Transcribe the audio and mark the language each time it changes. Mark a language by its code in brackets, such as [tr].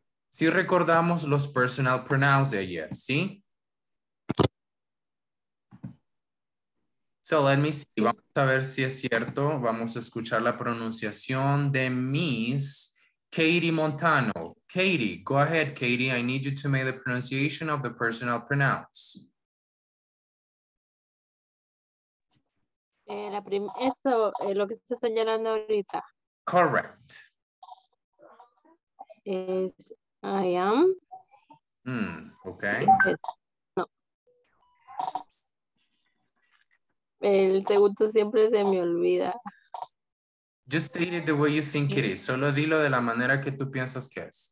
[es] Si recordamos los personal pronouns de ayer, ¿sí? [en] So let me see, [es] vamos a ver si es cierto. Vamos a escuchar la pronunciación de Miss Katie Montano. [en] Katie, go ahead, Katie. I need you to make the pronunciation of the personal pronouns. [es] Eso, Katie. Lo que está señalando ahorita. [en] Correct. I am. Okay. [es] No. El segundo siempre se me olvida. [en] Just state it the way you think it is. [es] Solo dilo de la manera que tú piensas que es.